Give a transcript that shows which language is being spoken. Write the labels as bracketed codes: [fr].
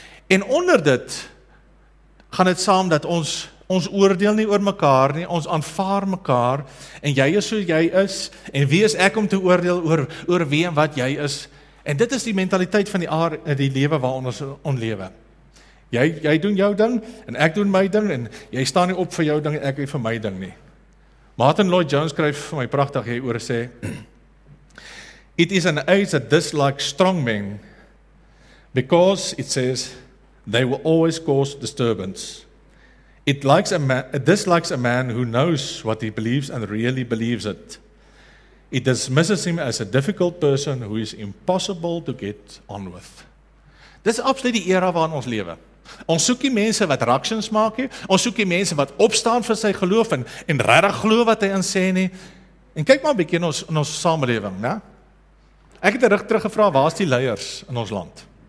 [af] En onder dit gaan het saam dat ons oordeel nie oor mekaar nie, ons aanvaar mekaar, en jy is so jy is, en wie is ek om te oordeel oor wie en wat jy is, En dit is die mentaliteit van die lewe waar ons onlewe. Jy doen jou ding, en ek doen my ding, en jy staan nie op vir jou ding, en ek vir my ding nie. Martin Lloyd-Jones skryf vir my prachtig, hy oor sê, [en] "It is an age that dislikes strong men, because, it says, they will always cause disturbance. It dislikes a man who knows what he believes and really believes it. It dismisses him as a difficult person who is impossible to get on with." [af] Dis absoluut die era waarin ons lewe. Ons soek die mense wat reactions maak, ons soek die mense wat opstaan vir sy geloof en regtig glo wat hy in sê nie. En kyk maar 'n bietjie in ons samelewing, né? Ek het teruggevra, waar is die leiers in ons land?